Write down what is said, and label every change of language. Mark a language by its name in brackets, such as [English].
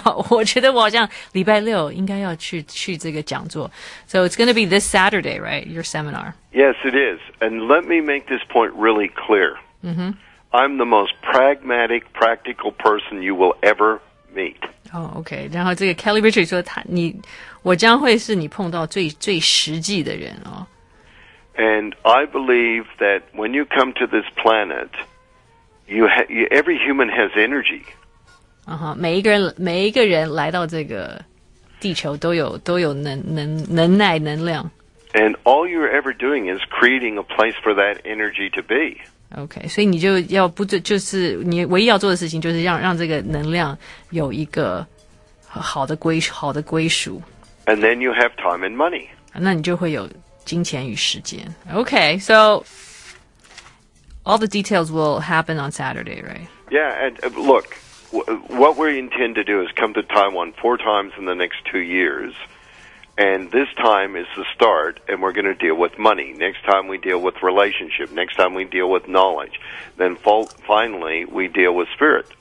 [Chinese] 我觉得我好像礼拜六应该要去这个讲座。 [English] So it's going to be this Saturday, right? Your seminar. Yes, it is. And let me make this point really clear. Mm-hmm. I'm the most pragmatic, practical person you will ever meet. [Chinese] Oh, okay. 然后这个 Kelly Richard 说他你我将会是你碰到最实际的人哦。 [English] And I believe that when you come to this planet, every human has energy. [Chinese] Uh-huh, 每一个人来到这个地球都有 能耐能量。 [English] And all you're ever doing is creating a place for that energy to be. [Chinese] Okay, 所以你就要不就是你唯一要做的事情就是让这个能量有一个好的归属。 [English] And then you have time and money. [Chinese] 那你就会有金钱与时间。 [English] Okay, so all the details will happen on Saturday, right? Yeah, and look... What we intend to do is come to Taiwan 4 times in the next 2 years, and this time is the start, and we're going to deal with money. Next time we deal with relationship, next time we deal with knowledge, then finally we deal with spirit.